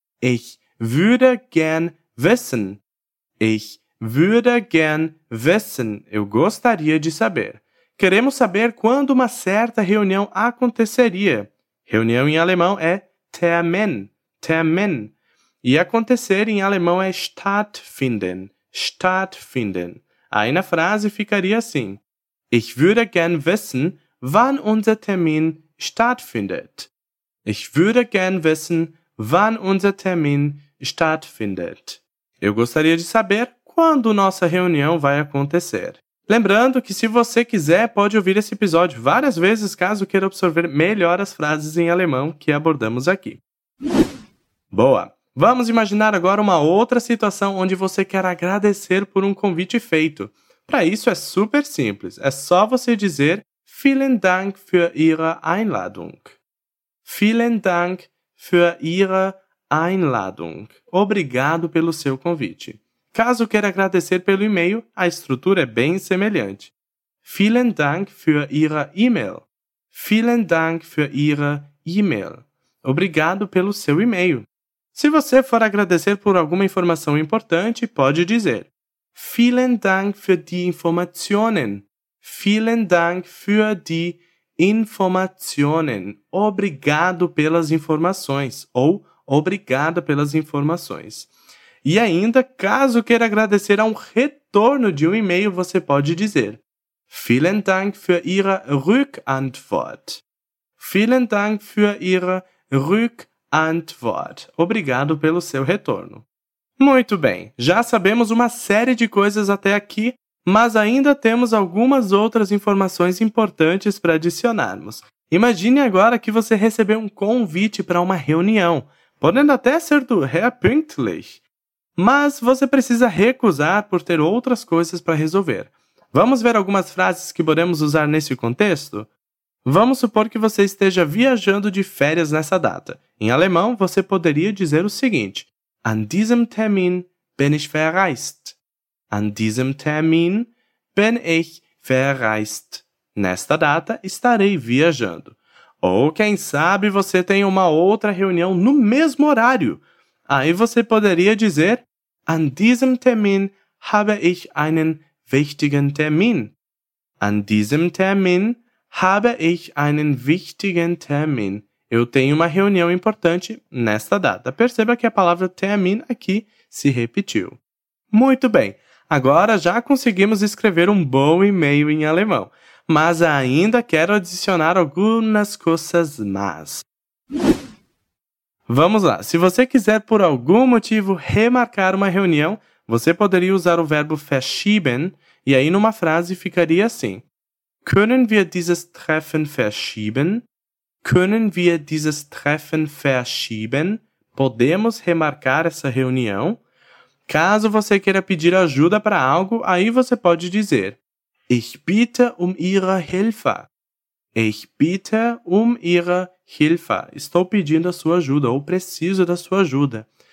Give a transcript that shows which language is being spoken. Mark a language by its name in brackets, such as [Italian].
[German] Ich würde gern wissen. Ich würde gern wissen. [Portuguese] Eu gostaria de saber. Queremos saber quando uma certa reunião aconteceria. Reunião em alemão é Termin. Termin. E acontecer em alemão é stattfinden. [German] stattfinden. Eine Phrase [Portuguese] ficaria assim: [German] Ich würde gern wissen, wann unser Termin stattfindet. Ich würde gern wissen, wann unser Termin stattfindet. [Portuguese] Eu gostaria de saber quando nossa reunião vai acontecer. Lembrando que se você quiser, pode ouvir esse episódio várias vezes caso queira absorver melhor as frases em alemão que abordamos aqui. Boa! Vamos imaginar agora uma outra situação onde você quer agradecer por um convite feito. Para isso é super simples. É só você dizer [German] Vielen Dank für Ihre Einladung. Vielen Dank für Ihre Einladung. [Portuguese] Obrigado pelo seu convite. Caso queira agradecer pelo e-mail, a estrutura é bem semelhante. [German] Vielen Dank für Ihre E-Mail. Vielen Dank für Ihre E-Mail. [Portuguese] Obrigado pelo seu e-mail. Se você for agradecer por alguma informação importante, pode dizer [German] Vielen Dank für die Informationen. Vielen Dank für die Informationen. [Portuguese] Obrigado pelas informações. Ou obrigada pelas informações. E ainda, caso queira agradecer a um retorno de um e-mail, você pode dizer [German] Vielen Dank für Ihre Rückantwort. Vielen Dank für Ihre Rückantwort. [Portuguese] Obrigado pelo seu retorno. Muito bem, já sabemos uma série de coisas até aqui, mas ainda temos algumas outras informações importantes para adicionarmos. Imagine agora que você recebeu um convite para uma reunião, podendo até ser do Herr Pünktlich. Mas você precisa recusar por ter outras coisas para resolver. Vamos ver algumas frases que podemos usar nesse contexto? Vamos supor que você esteja viajando de férias nessa data. Em alemão, você poderia dizer o seguinte: [German] An diesem Termin bin ich verreist. An diesem Termin bin ich verreist. [Portuguese] Nesta data, estarei viajando. Ou, quem sabe, você tem uma outra reunião no mesmo horário. Aí você poderia dizer [German] An diesem Termin habe ich einen wichtigen Termin. An diesem Termin habe ich einen wichtigen Termin. [Portuguese] Eu tenho uma reunião importante nesta data. Perceba que a palavra Termin aqui se repetiu. Muito bem, agora já conseguimos escrever um bom e-mail em alemão. Mas ainda quero adicionar algumas coisas más. Vamos lá. Se você quiser, por algum motivo, remarcar uma reunião, você poderia usar o verbo verschieben e aí numa frase ficaria assim. [German] Können wir dieses Treffen verschieben? Können wir dieses Treffen verschieben? [Portuguese] Podemos remarcar essa reunião? Caso você queira pedir ajuda para algo, aí você pode dizer [German] Ich bitte Ihre Hilfe. Ich bitte Ihre Hilfe. [Portuguese] Estou pedindo a sua ajuda ou preciso da sua ajuda.